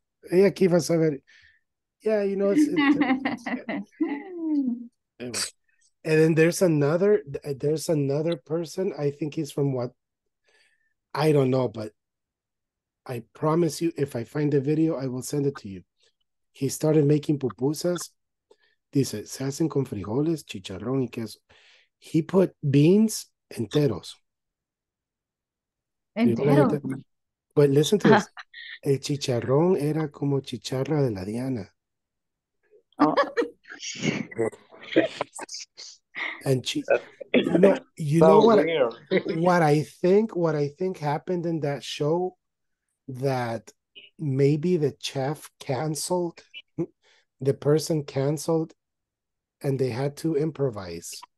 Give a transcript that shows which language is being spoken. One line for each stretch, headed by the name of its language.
Spanish: Ella quiere saber.
English: Yeah, you know. Anyway. And then there's another person. I think he's from what? I don't know, but I promise you, if I find the video, I will send it to you. He started making pupusas.
Spanish: Dice, se hacen con frijoles, chicharrón y queso.
English: He put beans enteros.
Spanish: Enteros.
English: But listen to this.
Spanish: El chicharrón era como chicharra de la Diana. Oh.
English: And what I think happened in that show, that maybe the chef canceled, the person canceled, and they had to improvise.